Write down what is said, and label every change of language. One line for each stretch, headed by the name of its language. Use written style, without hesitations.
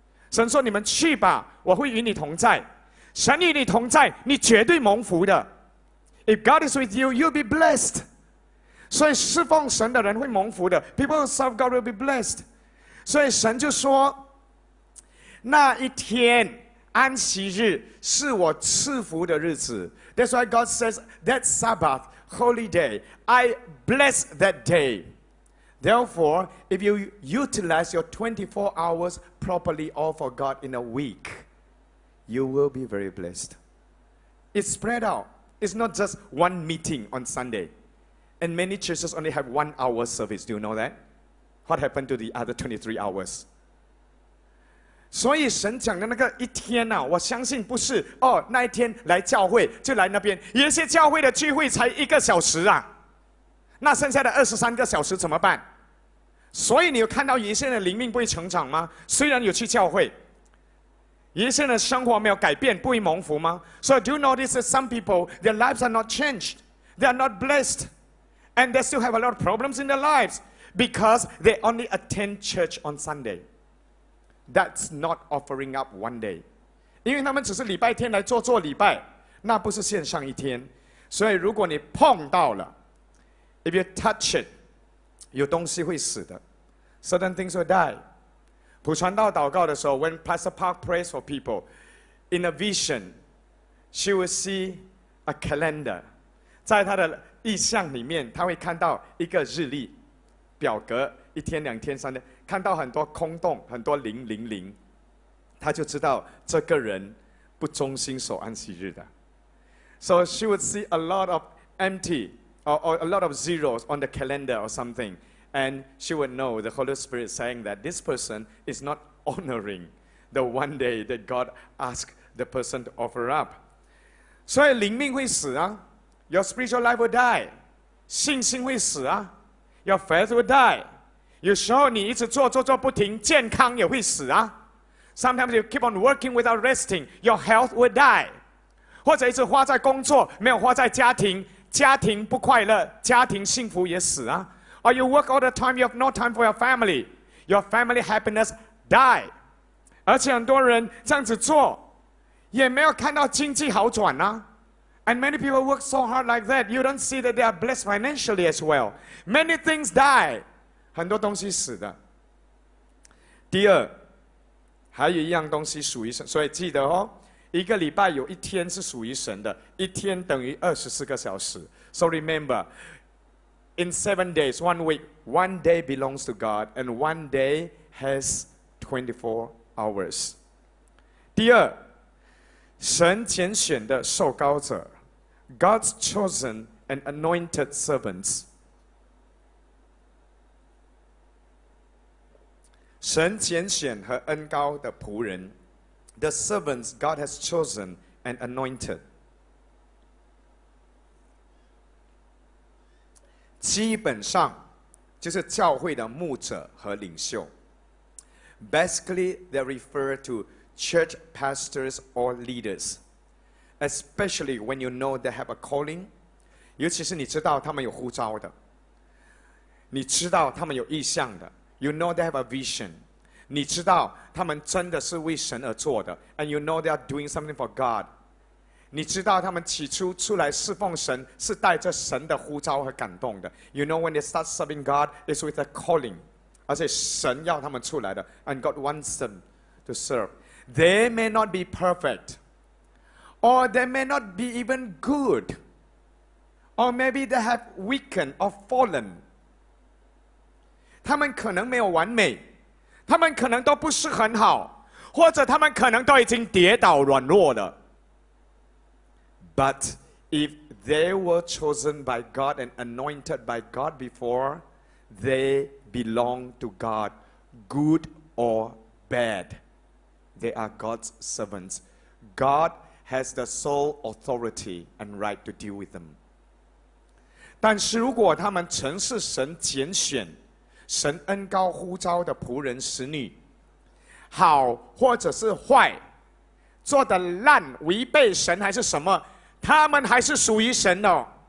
Chinese: 神说你们去吧，我会与你同在。神与你同在，你绝对蒙福的。
English: If God is with you, you'll be blessed.
Chinese: 所以侍奉神的人会蒙福的。
English: People who serve God will be blessed.
Chinese: 所以神就说那一天安息日是我赐福的日子。
English: That's why God says that Sabbath, holy day, I bless that day. Therefore, if you utilize your 24 hours properly all for God in a week, you will be very blessed. It's spread out. It's not just one meeting on Sunday. And many churches only have 1 hour service. Do you know that? What happened to the other 23 hours?
Chinese: 所以神讲的那个一天啊，我相信不是哦，那一天来教会就来那边，有些教会的聚会才一个小时啊，那剩下的二十三个小时怎么办？所以你有看到有些人灵命不会成长吗？虽然有去教会，有些人生活没有改变，不会蒙福吗？
English: So do you notice that some people, their lives are not changed, they are not blessed, and they still have a lot of problems in their lives because they only attend church on Sunday. That's not offering up one day.
Chinese: 因为他们只是礼拜天来做做礼拜，那不是献上一天。所以如果你碰到了，
English: If you touch it,
Chinese: 有东西会死的。
English: Certain things will die.
Chinese: 普传道祷告的时候，
English: When Pastor Park prays for people, in a vision, she will see a calendar.
Chinese: 在她的意象里面，她会看到一个日历表格，一天、两天、三天，看到很多空洞，很多零零零，他就知道这个人不忠心守安息日的。
English: So she would see a lot of empty or a lot of zeros on the calendar or something, and she would know the Holy Spirit saying that this person is not honoring the one day that God asked the person to offer up.
Chinese: 所以灵命会死啊 ，
English: your spiritual life will die，
Chinese: 信心会死啊 ，
English: your faith will die。
Chinese: 有时候你一直做做做不停，健康也会死啊。
English: Sometimes you keep on working without resting, your health will die.
Chinese: 或者一直花在工作，没有花在家庭，家庭不快乐，家庭幸福也死啊。
English: Or you work all the time, you have no time for your family happiness die.
Chinese: 而且很多人这样子做，也没有看到经济好转啊。
English: And many people work so hard like that, you don't see that they are blessed financially as well. Many things die.
Chinese: 很多东西死的。第二，还有一样东西属于神，所以记得哦，一个礼拜有一天是属于神的，一天等于二十四个小时。
English: So remember, in 7 days, 1 week, one day belongs to God, and one day has 24 hours.
Chinese: 第二，神拣选的受膏者 ，
English: God's chosen and anointed servants.
Chinese: 神拣选和恩膏的仆人
English: The servants God has chosen and anointed.
Chinese: 基本上就是教会的牧者和领袖。
English: Basically, they refer to church pastors or leaders. Especially when you know they have a calling.
Chinese: 尤其是你知道他们有呼召的。你知道他们有意向的。
English: You know they have a vision.
Chinese: 你知道他们真的是为神而做的。
English: And you know they are doing something for God.
Chinese: 你知道他们起初出来侍奉神是带着神的呼召和感动的。
English: You know when they start serving God, it's with a calling.
Chinese: 而且神要他们出来的。
English: And God wants them to serve. They may not be perfect, or they may not be even good, or maybe they have weakened or fallen.
Chinese: 他们可能没有完美，他们可能都不是很好，或者他们可能都已经跌倒软弱了。
English: But if they were chosen by God and anointed by God before, they belong to God, good or bad. They are God's servants. God has the sole authority and right to deal with them.
Chinese: 但是如果他们曾是神拣选、神恩高呼召的仆人、使女，好或者是坏，做得烂、违背神还是什么，他们还是属于神哦。